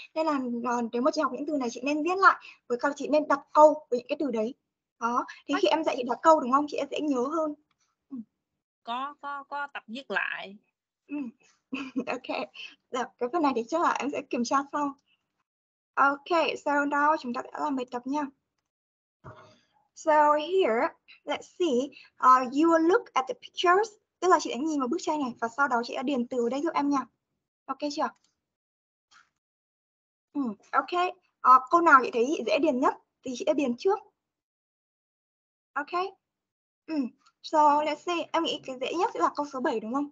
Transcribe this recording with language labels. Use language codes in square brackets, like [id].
[vi] Nên là nếu mà chị học những từ này chị nên viết lại, với cả chị nên đặt câu với những cái từ đấy. Đó, thì khi em dạy chị đặt câu đúng không, chị sẽ nhớ hơn. Có tập viết lại. Ok, được, cái phần này thì chắc là em sẽ kiểm tra sau. Ok, [en] so now [vi] chúng ta sẽ làm bài tập nha. [en] So here, let's see, you will look at the pictures. [vi] Tức là chị đã nhìn vào bức tranh này và sau đó chị đã điền từ ở đây giúp em nha. Ok chưa? Ok, câu nào chị thấy chị dễ điền nhất thì chị đã điền trước. Ok. [en] So let's see, [vi] em nghĩ cái dễ nhất sẽ là câu số 7 đúng không?